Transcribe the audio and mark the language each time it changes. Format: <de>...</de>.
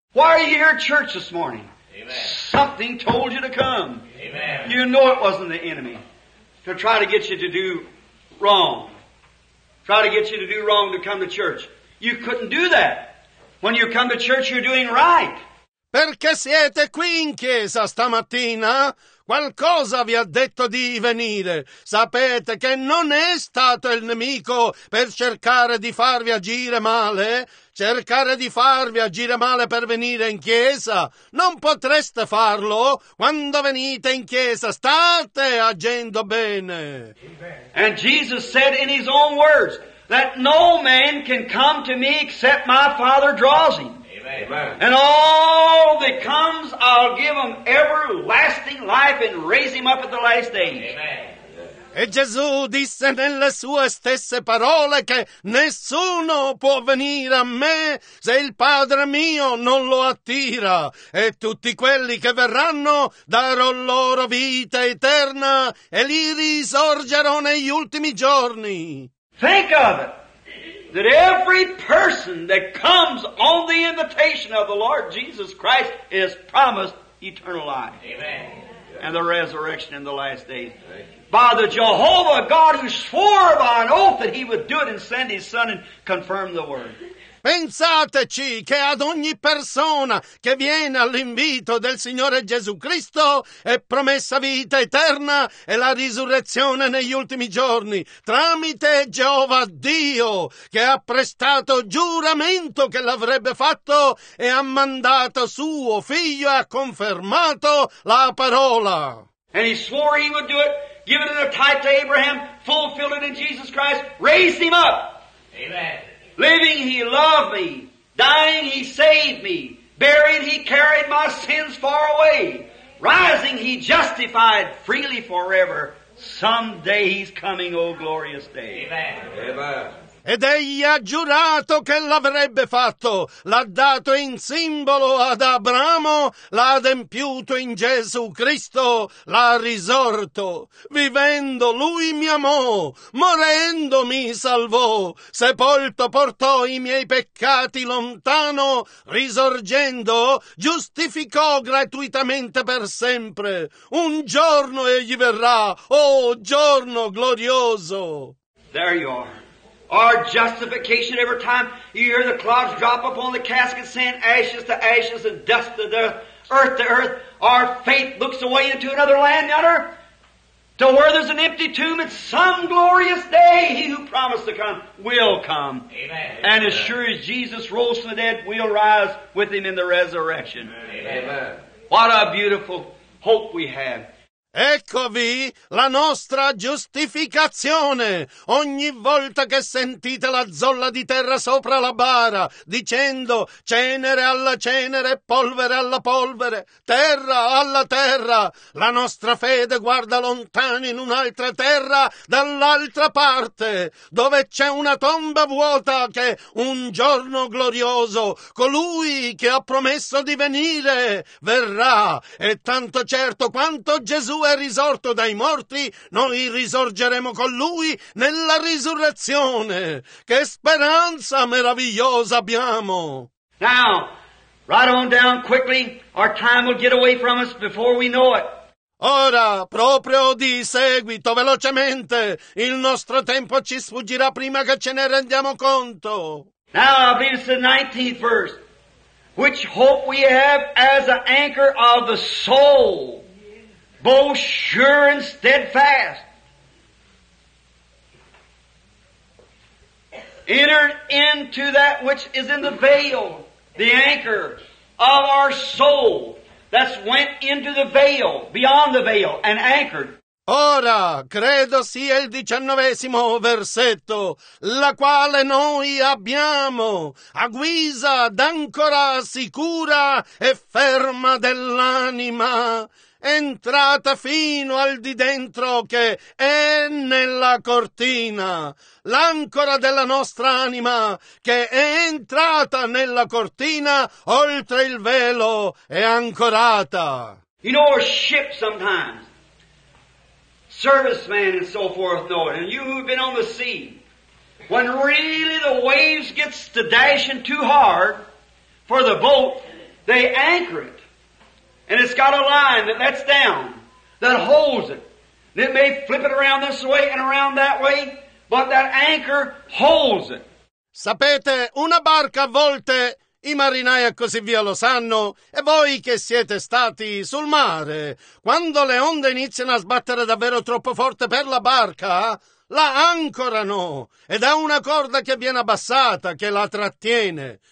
<en>Why are you here at church this morning? Amen. Something told you to come. Amen. You know it wasn't the enemy to try to get you to do wrong. Try to get you to do wrong to come to church. You couldn't do that. When you come to church, you're doing right.</en> <it>Perché siete qui in chiesa stamattina? Qualcosa vi ha detto di venire. Sapete che non è stato il nemico per cercare di farvi agire male? Cercare di farvi agire male per venire in chiesa? Non potreste farlo? Quando venite in chiesa, state agendo bene.</it> <en>And Jesus said in his own words that no man can come to me except my Father draws him. Amen. And all that comes, I'll give him everlasting life and raise him up at the last day. Amen.</en> <it>E Gesù disse nelle sue stesse parole che nessuno può venire a me se il Padre mio non lo attira. E tutti quelli che verranno darò loro vita eterna e li risorgerò negli ultimi giorni.</it> <en>Think of it. That every person that comes on the invitation of the Lord Jesus Christ is promised eternal life. Amen. And the resurrection in the last days. By the Jehovah God who swore by an oath that he would do it and send his son and confirm the word.</en> <it>Pensateci che ad ogni persona che viene all'invito del Signore Gesù Cristo è promessa vita eterna e la risurrezione negli ultimi giorni tramite Geova Dio che ha prestato giuramento che l'avrebbe fatto e ha mandato suo figlio e ha confermato la parola.</it> <en>And he swore he would do it, give it in a type to Abraham, fulfilled it in Jesus Christ, raised him up. Amen. Living, he loved me. Dying, he saved me. Buried, he carried my sins far away. Rising, he justified freely forever. Someday he's coming, oh glorious day. Amen. Amen.</en> <it>Ed egli ha giurato che l'avrebbe fatto, l'ha dato in simbolo ad Abramo, l'ha adempiuto in Gesù Cristo, l'ha risorto. Vivendo lui mi amò, morendo mi salvò, sepolto portò i miei peccati lontano, risorgendo giustificò gratuitamente per sempre. Un giorno egli verrà, oh giorno glorioso!</it> <en>There you are. Our justification, every time you hear the clouds drop upon the casket saying ashes to ashes and dust to the earth to earth, our faith looks away into another land, yonder, to where there's an empty tomb, and some glorious day he who promised to come will come. Amen. And as sure as Jesus rose from the dead, we'll rise with him in the resurrection. Amen. What a beautiful hope we have.</en> <it>Eccovi la nostra giustificazione. Ogni volta che sentite la zolla di terra sopra la bara, dicendo cenere alla cenere, polvere alla polvere, terra alla terra, la nostra fede guarda lontano in un'altra terra, dall'altra parte, dove c'è una tomba vuota che un giorno glorioso, colui che ha promesso di venire, verrà. E tanto certo quanto Gesù è risorto dai morti, noi risorgeremo con lui nella risurrezione. Che speranza meravigliosa abbiamo!</it> <en>Now, right on down quickly, our time will get away from us before we know it.</en> <it>Ora, proprio di seguito, velocemente, il nostro tempo ci sfuggirà prima che ce ne rendiamo conto.</it> <en>Now, I believe it's the 19th verse. Which hope we have as an anchor of the soul. Both sure and steadfast. Entered into that which is in the veil, the anchor of our soul, that's went into the veil, beyond the veil, and anchored.</en> <it>Ora, credo sia il 19° versetto, la quale noi abbiamo a guisa d'ancora sicura e ferma dell'anima, entrata fino al di dentro che è nella cortina, l'ancora della nostra anima che è entrata nella cortina oltre il velo e ancorata.</it> <en>You know, a ship sometimes, servicemen and so forth know it, and you who've been on the sea, when really the waves gets to dashing too hard for the boat, they anchor it. And it's got a line that lets down, that holds it. And it may flip it around this way and around that way, but that anchor holds it.</en> <it>Sapete, una barca a volte, i marinai e così via lo sanno, e voi che siete stati sul mare, quando le onde iniziano a sbattere davvero troppo forte per la barca, la ancorano, ed è una corda che viene abbassata, che la trattiene.</it>